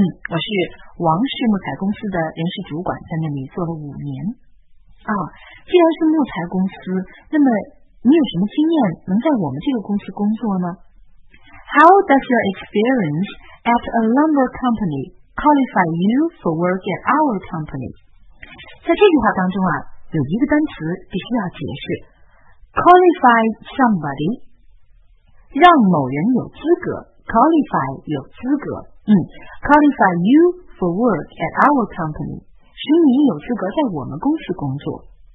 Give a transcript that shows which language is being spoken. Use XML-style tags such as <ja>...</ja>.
<zh>我是王氏木材公司的人事主管，在那里做了5年。啊，既然是木材公司，那么你有什么经验能在我们这个公司工作呢？</zh> <en>How does your experience at a lumber company qualify you for work at our company?</en> <zh>在这句话当中啊，有一个单词必须要解释。</zh> <en>Qualify somebody.</en> <zh>让某人有资格 qualify 有资格，</zh> <en>qualify you for work at our company</en> <zh>使你有资格在我们公司工作。</zh>